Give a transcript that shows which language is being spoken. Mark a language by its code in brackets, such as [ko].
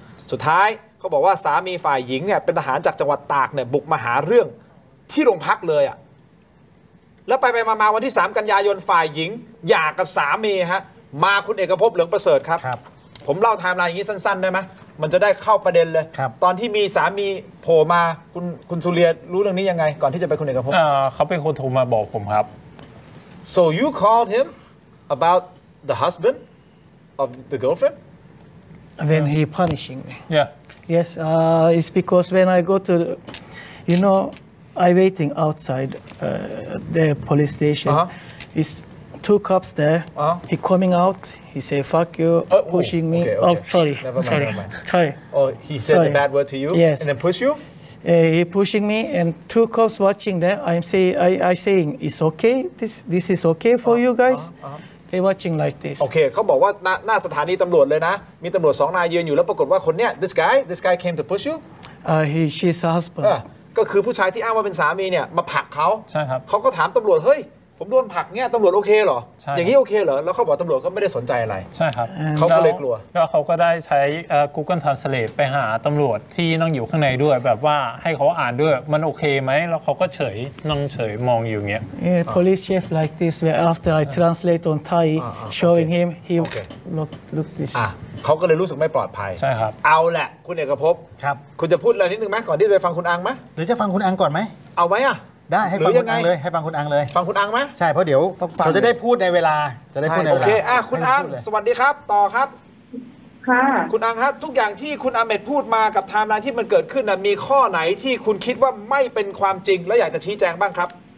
[th] สุดท้ายเขาบอกว่าสามีฝ่ายหญิงเนี่ยเป็นทหารจากจังหวัดตากเนี่ยบุกมาหาเรื่องที่โรงพักเลยอ่ะแล้วไปมาวันที่3กันยายนฝ่ายหญิงหย่ากับสามีฮะมาคุณเอกภพเหลืองประเสริฐครับ ครับ ผมเล่าไทม์ไลน์อย่างนี้สั้นๆได้ไหมมันจะได้เข้าประเด็นเลย ครับ ตอนที่มีสามีโผล่มาคุณสุเรียรู้เรื่องนี้ยังไงก่อนที่จะไปคุณเอกภพ เขาเป็นคนโทรมาบอกผมครับ [en] so you called him about the husband of the girlfriend when he punishing me yeah yes it's because when I go to you know I waiting outside the police station it's two cops there he coming out he say fuck you pushing me okay. Sorry. Oh, he said the bad word to you yes and then push you He pushing me and two cops watching there. I'm saying it's okay. This is okay for you guys. They watching like this. [th] Okay, เขาบอกว่าหน้าสถานีตำรวจเลยนะมีตำรวจสองนายยืนอยู่แล้วปรากฏว่าคนเนี้ย [en] this guy came to push you. She's her husband. [th] ก็คือผู้ชายที่อ้างว่าเป็นสามีเนี่ยมาผลักเขา ใช่ครับ เขาก็ถามตำรวจเฮ้ยผมโดนผลักเนี่ยตำรวจโอเคเหรอ ใช่อ ย่างนี้โอเคเหรอแล้วเขาบอกตำรวจก็ไม่ได้สนใจอะไร ใช่ครับ เขาก็เลยกลัว แล้วเขาก็ได้ใช้ Google Translate ไปหาตำรวจที่นั่งอยู่ข้างในด้วยแบบว่าให้เขาอ่านด้วยมันโอเคไหมแล้วเขาก็เฉยนั่งเฉยมองอยู่เงี้ย [en] Police chief like this where after I translate on Thai showing him he look this [th] เขาก็เลยรู้สึกไม่ปลอดภัย ใช่ครับ เอาแหละคุณเอกภพ ครับ คุณจะพูดอะไรนิดนึงไหมก่อนที่ไปฟังคุณอังไหม หรือจะฟังคุณอังก่อนไหม เอาไหมอ่ะ ได้ให้ฟังคุณอังเลยให้ฟังคุณอังเลย ฟังคุณอังไหม ใช่เพราะเดี๋ยวเขาจะได้พูดในเวลาจะได้พูดในเวลา โอเคอ่ะคุณอังสวัสดีครับต่อครับ ค่ะ คุณอังฮะทุกอย่างที่คุณอเมทพูดมากับไทม์ไลน์ที่มันเกิดขึ้นน่ะมีข้อไหนที่คุณคิดว่าไม่เป็นความจริงแล้วอยากจะชี้แจงบ้างครับ